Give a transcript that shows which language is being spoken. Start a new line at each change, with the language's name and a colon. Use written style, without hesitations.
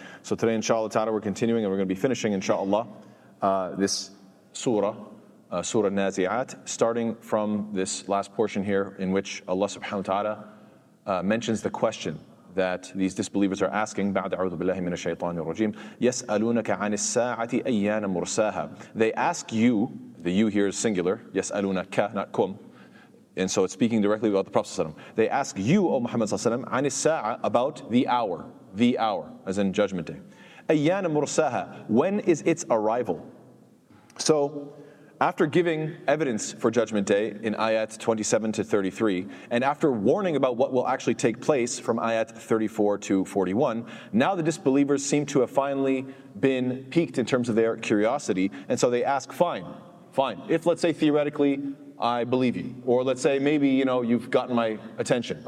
English: So today, inshallah ta'ala, we're continuing and we're going to be finishing, inshallah, this surah, Surah Nazi'at, starting from this last portion here in which Allah subhanahu wa ta'ala mentions the question that these disbelievers are asking.
Arabic: بعد أعوذ بالله من الشيطان الرجيم يسألونك عن الساعة أيان مرساها.
English: They ask you, the you here is singular, يسألونك not كم, and so it's speaking directly about the Prophet ﷺ. They ask you, O Muhammad ﷺ,
Arabic: عن الساعة,
English: about the hour, as in judgment day.
Arabic: أيان مرساها,
English: when is its arrival? So, after giving evidence for Judgment Day in Ayat 27 to 33, and after warning about what will actually take place from Ayat 34 to 41, now the disbelievers seem to have finally been piqued in terms of their curiosity, and so they ask, fine, if let's say theoretically I believe you, or let's say maybe, you know, you've gotten my attention.